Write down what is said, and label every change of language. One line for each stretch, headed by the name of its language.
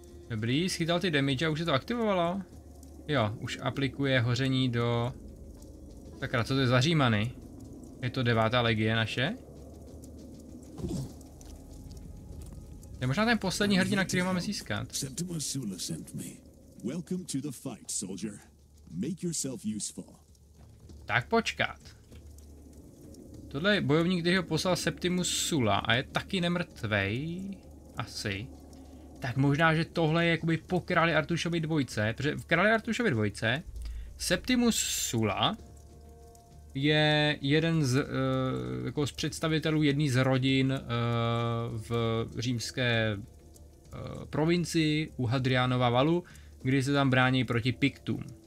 Czech: Dobrý, schytal ty damage a už se to aktivovalo. Jo, už aplikuje hoření do... Sakra, co to je za Římany? Je to 9. legie naše? Je možná ten poslední hrdina, který máme získat.
English: Septima Sula sent me. Welcome to the fight, soldier. Make yourself useful.
Czech: Tak počkat. Tohle je bojovník, který ho poslal Septimus Sula a je taky nemrtvej. Asi. Tak možná, že tohle je jakoby po králi Artušovi dvojce, protože v králi Artušovi dvojce Septimus Sula je jeden z, jako z představitelů jedný z rodin v římské provincii u Hadrianova valu, kdy se tam brání proti Piktům.